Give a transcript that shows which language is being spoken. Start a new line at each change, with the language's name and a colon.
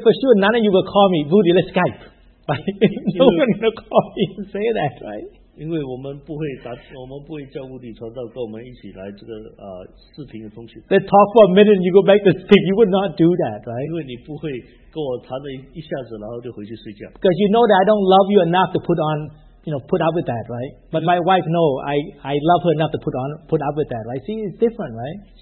English: for sure, none of you will call me, Rudy, let's Skype. No one will call me and say that, right?
Chinese: 因为我们不会叫乌迪传道跟我们一起来这个视频的通讯。They
English: talk for a minute and you go back to sleep. You would not do that, right?
Chinese: 因为你不会跟我谈了一下子，然后就回去睡觉。Because
English: you know that I don't love you enough to put on, put up with that, right? But my wife knows I love her enough to put up with that, right? See, it's different, right?